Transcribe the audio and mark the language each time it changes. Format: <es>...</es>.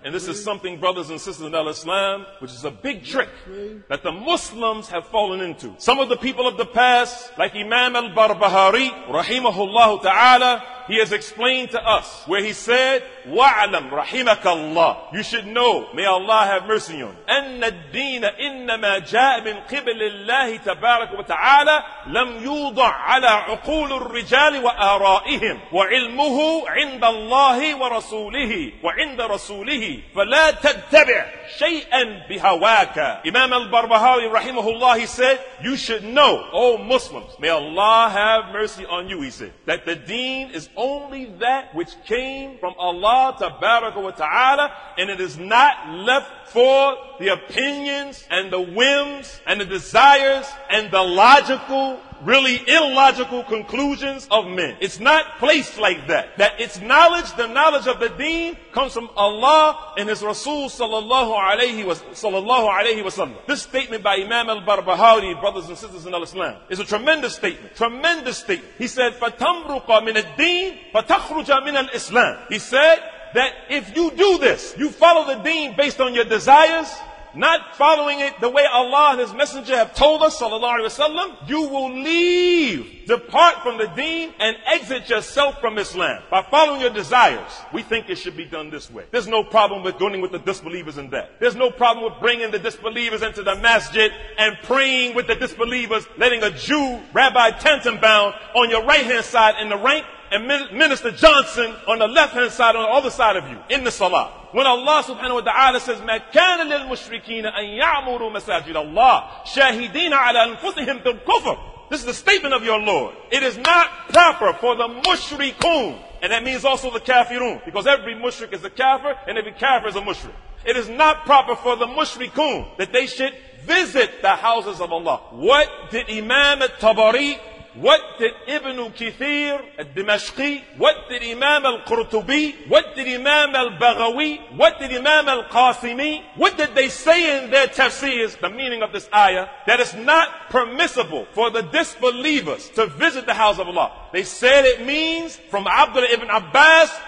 <en>and this is something, brothers and sisters in Al-Islam, which is a big trick that the Muslims have fallen into. Some of the people of the past, like Imam al-Barbahari, rahimahullahu ta'ala, he has explained to us where he said,</en> <ar>wa'alam rahimakallah.</ar> <en>You should know, may Allah have mercy on you.</en> <ar>Anna ad-deena innama ja'a min qibalillahi tabarak wa ta'ala lam yudha ala عقول الرجال وآرائهم وعلمه عند الله ورسوله وعند رسوله فلا تتبع شيئا بهواك.</ar> <en>Imam al-Barbahari rahimahullah, he said, you should know, O Muslims, may Allah have mercy on you, he said, that the deen is only that which came from Allah tabaraka wa ta'ala, and it is not left for the opinions and the whims and the desires and the logical, really illogical conclusions of men. It's not placed like that. That its knowledge, the knowledge of the deen, comes from Allah and His Rasul sallallahu alayhi wa sallam. This statement by Imam al-Barbahari, brothers and sisters in Al-Islam, is a tremendous statement. Tremendous statement.</en> <ar>He said, فَتَمْرُقَ مِنَ الدِّينِ فَتَخْرُجَ مِنَ الْإِسْلَامِ.</ar> <en>He said that if you do this, you follow the deen based on your desires, not following it the way Allah and His Messenger have told us, sallallahu alayhi wa sallam, you will leave, depart from the deen, and exit yourself from Islam by following your desires. We think it should be done this way. There's no problem with going with the disbelievers in that. There's no problem with bringing the disbelievers into the masjid and praying with the disbelievers, letting a Jew, Rabbi Tantenbaum, on your right-hand side in the rank, and Minister Johnson on the left-hand side, on the other side of you, in the salah.</en> <ar>When Allah subhanahu wa ta'ala says, مَا كَانَ لِلْمُشْرِكِينَ أَن يَعْمُرُوا مَسَاجِدَ اللَّهِ شَاهِدِينَ عَلَىٰ أَنفُسِهِمْ بِالْكُفْرِ.</ar> <en>This is the statement of your Lord. It is not proper for the mushrikun, and that means also the kafirun, because every mushrik is a kafir, and every kafir is a mushrik. It is not proper for the mushrikun that they should visit the houses of Allah. What did Imam al-Tabari, what did Ibn Kithir al-Dimashqi, what did Imam al-Qurtubi, what did Imam al-Baghawi, what did Imam al-Qasimi, what did they say in their tafsirs, the meaning of this ayah, that it's not permissible for the disbelievers to visit the house of Allah? They said it means, from Abdullah ibn Abbas</en>